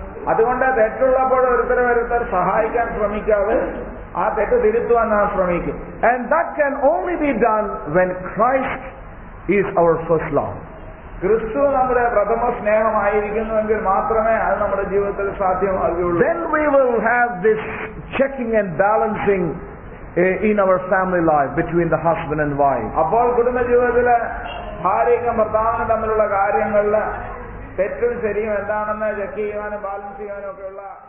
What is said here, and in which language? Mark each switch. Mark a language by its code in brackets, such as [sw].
[ml] അതുകൊണ്ട് തെറ്റുള്ളപ്പോൾ ഒരുത്തരവരുത്തർ സഹായിക്കാൻ ശ്രമിക്കാതെ ആ തെറ്റ് തിരുത്തുവാൻ നാം ശ്രമിക്കും. [en] And that can only be done when Christ is our first love. [ml] ക്രിസ്തു നമ്മുടെ പ്രഥമ സ്നേഹമായിരിക്കുന്നുവെങ്കിൽ മാത്രമേ അത് നമ്മുടെ ജീവിതത്തിൽ സാധ്യമാകുകയുള്ളൂ. [en] Then we will have this checking and balancing in our family life between the husband and wife. [ml] അപ്പോൾ കുടുംബ ജീവിതത്തിലെ ഭാര്യയും ഭർത്താവും തമ്മിലുള്ള കാര്യങ്ങളിൽ തെറ്റും ശരിയും എന്താണെന്ന് ചെക്ക് ചെയ്യാനും ബാലൻസ് ചെയ്യാനും ഒക്കെയുള്ള